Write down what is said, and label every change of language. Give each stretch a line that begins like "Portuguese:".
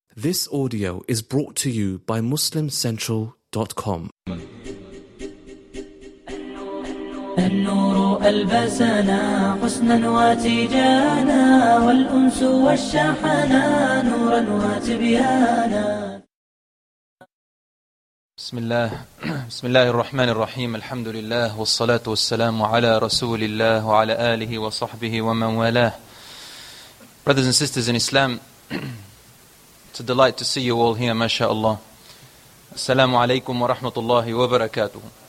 English: This audio is brought to you by MuslimCentral.com.
Arabic: النور ألبسنا حسنا وتجانا والأنس والشحنا نورا وتبيانا. بسم الله الرحمن الرحيم. الحمد لله والصلاة والسلام على رسول الله وعلى آله وصحبه ومن والاه.
English: Brothers and sisters in Islam, it's a delight to see you all here, mashallah.
Arabic: Assalamu alaikum wa rahmatullahi wa barakatuh.